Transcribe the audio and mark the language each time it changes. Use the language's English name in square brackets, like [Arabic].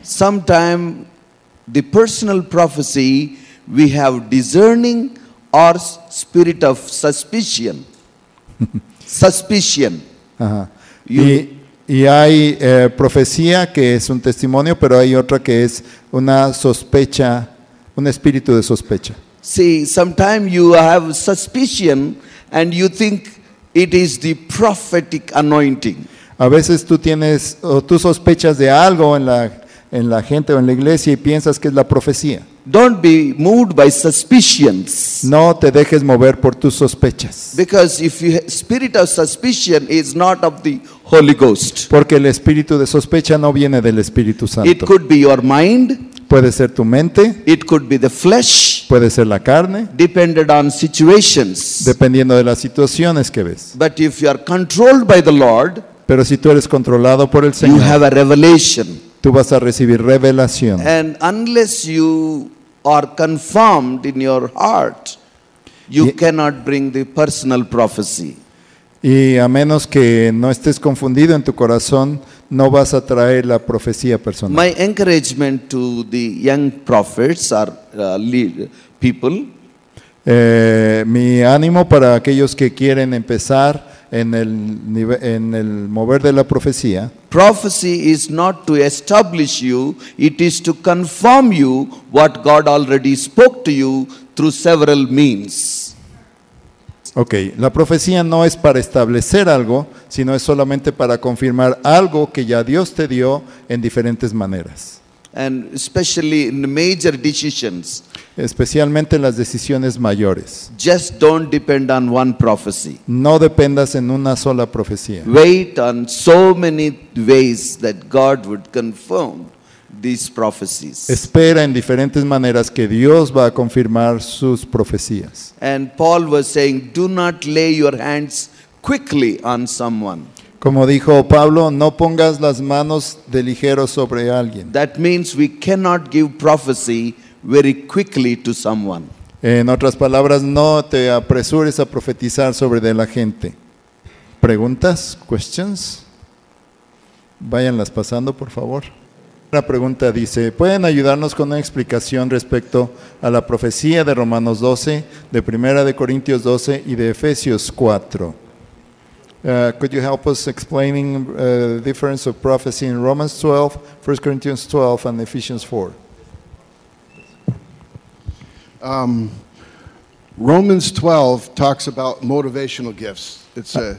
[English] Sometimes the personal prophecy we have discerning or spirit of suspicion. Suspicion. Ajá. [Spanish] Y hay profecía que es un testimonio, pero hay otra que es una sospecha, un espíritu de sospecha. [English] See, sometimes you have suspicion and you think it is the prophetic anointing. [Spanish] A veces tú tienes o tú sospechas de algo en la gente o en la iglesia y piensas que es la profecía. [English] Don't be moved by suspicions. [Spanish] No te dejes mover por tus sospechas. [English] Because if you spirit of suspicion is not of the Holy Ghost. [Spanish] Porque el espíritu de sospecha no viene del Espíritu Santo. [English] It could be your mind. [Spanish] Puede ser tu mente. [English] It could be the flesh. [Spanish] Puede ser la carne. [English] Depended on situations. [Spanish] Dependiendo de las situaciones que ves. [English] But if you are controlled by the Lord. [Spanish] Pero si tú eres controlado por el Señor. [English] You have a revelation. [Spanish] Tú vas a recibir revelación. [English] And unless you are confirmed in your heart, you cannot bring the personal prophecy. [Spanish] Y a menos que no estés confundido en tu corazón, no vas a traer la profecía personal. [English] My encouragement to the young prophets or lead people. [Spanish] Mi ánimo para aquellos que quieren empezar en el mover de la profecía. [English] Prophecy is not to establish you, it is to confirm you what God already spoke to you through several means. [Spanish] Okay, la profecía no es para establecer algo, sino es solamente para confirmar algo que ya Dios te dio en diferentes maneras. [English] And especially in major decisions. [Spanish] Especialmente en las decisiones mayores. [English] Just don't depend on one prophecy. [Spanish] No dependas en una sola profecía. [English] Wait on so many ways that God would confirm these prophecies. [Spanish] Espera en diferentes maneras que Dios va a confirmar sus profecías. [English] And Paul was saying, do not lay your hands quickly on someone. [Spanish] Como dijo Pablo, no pongas las manos de ligero sobre alguien. [English] That means we cannot give prophecy very quickly to someone. [Spanish] En otras palabras, no te apresures a profetizar sobre de la gente. ¿Preguntas? [English] ¿Questions? [Spanish] Váyanlas pasando, por favor. Una pregunta dice, ¿pueden ayudarnos con una explicación respecto a la profecía de Romanos 12, de Primera de Corintios 12 y de Efesios 4? [English] Could you help us explaining the difference of prophecy in Romans 12, 1 Corinthians 12 and Ephesians 4? Romans 12 talks about motivational gifts. It's